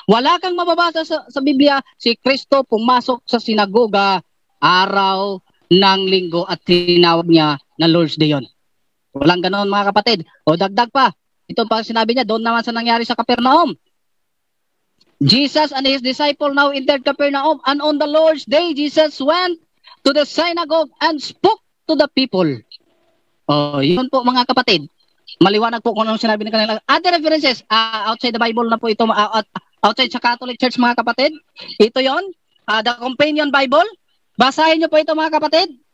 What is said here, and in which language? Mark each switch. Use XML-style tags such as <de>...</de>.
<tl>Wala kang mababasa sa Biblia, si Kristo pumasok sa sinagoga araw ng Linggo at tinawag niya na Lord's Day yun. Walang ganoon mga kapatid. O dagdag pa, Ito ang pagsinabi niya, doon naman sa nangyari sa Capernaum.</tl> <en>Jesus and his disciple now entered Capernaum, and on the Lord's day, Jesus went to the synagogue and spoke to the people.</en> <tl>Oh, yun po mga kapatid. Maliwanag po kung anong sinabi ng kanila.</tl> <en>Other references, outside the Bible</en> <tl>na po ito, outside sa Catholic Church mga kapatid. Ito yun, the Companion Bible. Basahin niyo po ito mga kapatid.</tl>